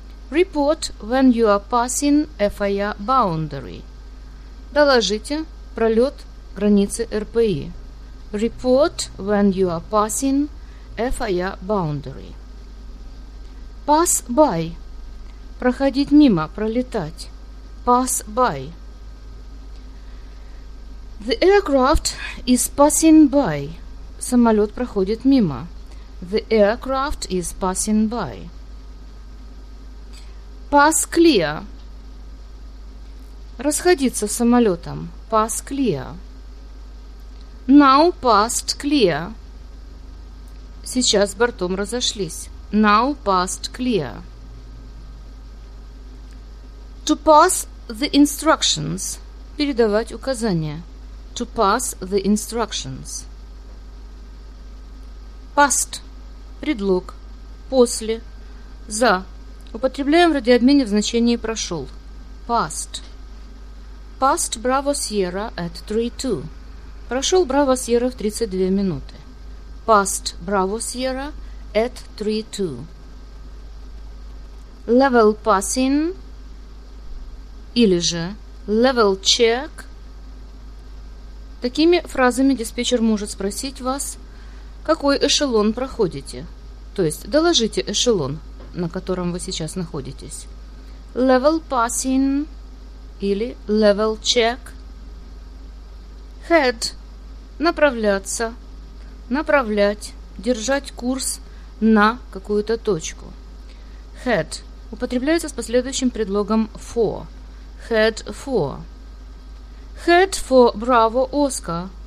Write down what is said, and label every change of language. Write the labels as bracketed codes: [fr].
[en] Report when you are passing FIR boundary. [ru] Доложите пролет границы РПИ. [en] Report when you are passing FIR boundary. Pass by. [ru] Проходить мимо, пролетать. [en] Pass by. The aircraft is passing by. [ru] Самолет проходит мимо. [en] The aircraft is passing by. Pass clear. [ru] Расходиться с самолетом. [en] Pass clear. Now passed clear. [ru] Сейчас бортом разошлись. [en] Now passed clear. To pass the instructions. [ru] Передавать указания. [en] To pass the instructions. [ru] Past. Предлог. После. За. Употребляем в радиообмене в значении прошел. [en] Past. Past Bravo Sierra at 3:02. [ru] Прошел Браво Сьерра в 32 минуты. [en] Past Bravo Sierra at 3:02. Level passing [ru] или же [en] level check. [ru] Такими фразами диспетчер может спросить вас, какой эшелон проходите. То есть доложите эшелон, на котором вы сейчас находитесь. [en] Level passing [ru] или [en] level check. Head. [ru] Направляться, направлять, держать курс на какую-то точку. Head употребляется с последующим предлогом for. [en] Head for. Head for Bravo Oscar.